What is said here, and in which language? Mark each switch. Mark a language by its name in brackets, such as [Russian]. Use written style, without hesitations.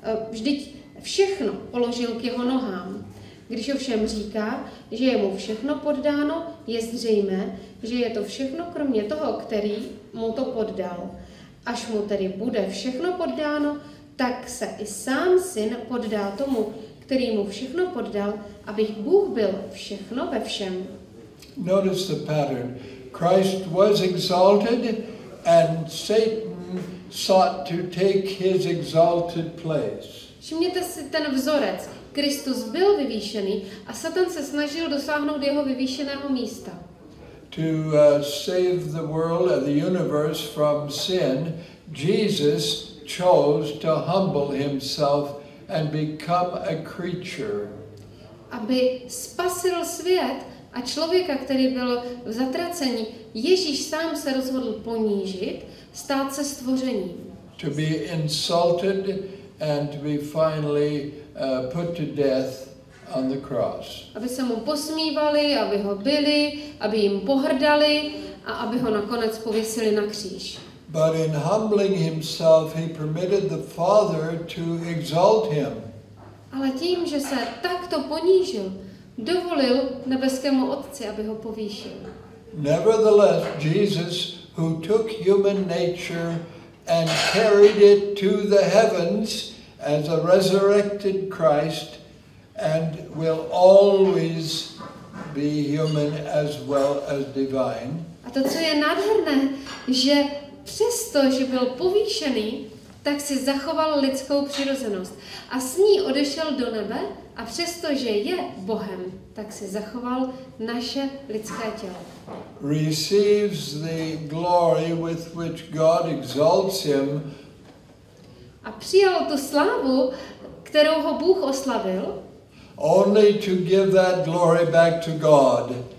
[Czech] Vždyť všechno položil k jeho nohám. Když ovšem říká, že je mu všechno poddáno, je zřejmé, že je to všechno kromě toho, který mu to poddal. Až mu tedy bude všechno poddáno, tak se i sám syn poddá tomu, který mu všechno poddal, aby Bůh byl všechno ve všem. [English] Notice the pattern. Christ was exalted and Satan sought to take his exalted place. [Czech] Všimněte si ten vzorec. Kristus byl vyvýšený a Satan se snažil dosáhnout jeho vyvýšeného místa. [English] To save the world and the universe from sin, Jesus chose to humble himself and become a creature. [Czech] Aby spasil svět a člověka, který byl v zatracení, Ježíš sám se rozhodl ponížit, stát se stvořením. [English] To be insulted and to be finally put to death on the cross. [Czech] Aby se mu posmívali, aby ho byli, aby jim pohrdali a aby ho nakonec pověsili na kříž. [English] But in humbling himself, he permitted the Father to exalt him. [Czech] Ale tím, že se takto ponížil, dovolil nebeskému Otci, aby ho povýšil. [English] Nevertheless, Jesus, who took human nature and carried it to the heavens as a resurrected Christ, and will always be human as well as divine. [Czech] A to, co je nádherné, že přesto, že byl povýšený, tak si zachoval lidskou přirozenost. A s ní odešel do nebe, a přesto, že je Bohem, tak si zachoval naše lidské tělo. [English] Receives the glory with which God exalts him. [Czech] A přijal tu slávu, kterou ho Bůh oslavil. [English] Only to give that glory back to God.